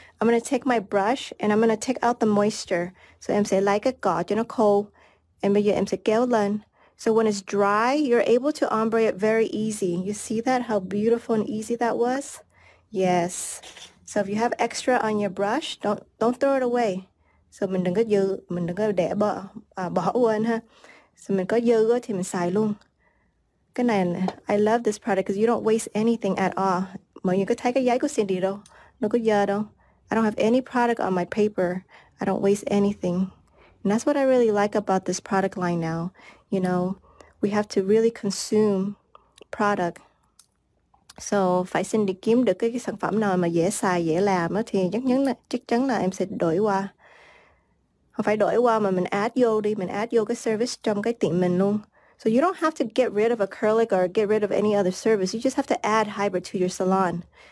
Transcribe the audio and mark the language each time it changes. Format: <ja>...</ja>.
<en>I'm gonna take my brush and I'm gonna take out the moisture.</en> <vi>So em sẽ lấy cái cỏ cho nó khô, em bây giờ em sẽ kéo lên.</vi> <en>So when it's dry, you're able to ombre it very easy. You see that how beautiful and easy that was? Yes. So if you have extra on your brush, don't throw it away.</en> <vi>So mình đừng có dư, mình đừng có để bỏ quên ha. So mình có dư thì mình xài luôn.</vi> <en>Cái này, I love this product because you don't waste anything at all.</en> <vi>Mọi người có thấy cái giấy của Cindy đâu, nó có dơ đâu.</vi> <en>I don't have any product on my paper. I don't waste anything. And that's what I really like about this product line now. You know, we have to really consume product.</en> <vi>So phải xin đi kiếm được cái sản phẩm nào mà dễ xài, dễ làm thì chắc chắn là em sẽ đổi qua. Không phải đổi qua mà mình add vô đi, mình add vô cái service trong cái tiệm mình luôn.</vi> <en>So you don't have to get rid of acrylic or get rid of any other service. You just have to add hybrid to your salon.</en>